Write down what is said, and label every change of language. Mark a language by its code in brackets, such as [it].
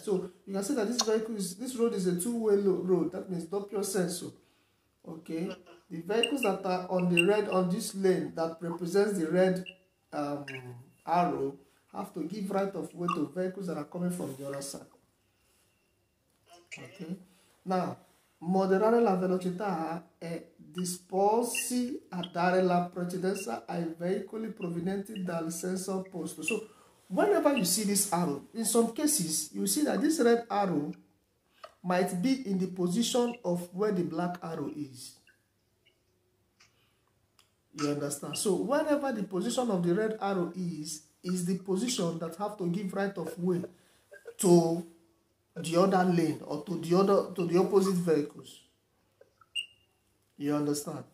[en] So you can see that this vehicle is, this road is a two-way road. That means [it] doppio senso. [en] Okay. The vehicles that are on the red, on this lane that represents the red, arrow, have to give right of way to vehicles that are coming from the other side. Okay. [it] Now, moderare la velocità e disporsi a dare la precedenza ai veicoli provenienti dal senso opposto. [en] So, whenever you see this arrow, in some cases, you see that this red arrow might be in the position of where the black arrow is. You understand? So, whenever the position of the red arrow is the position that have to give right of way to the other lane or to the opposite vehicles. You understand?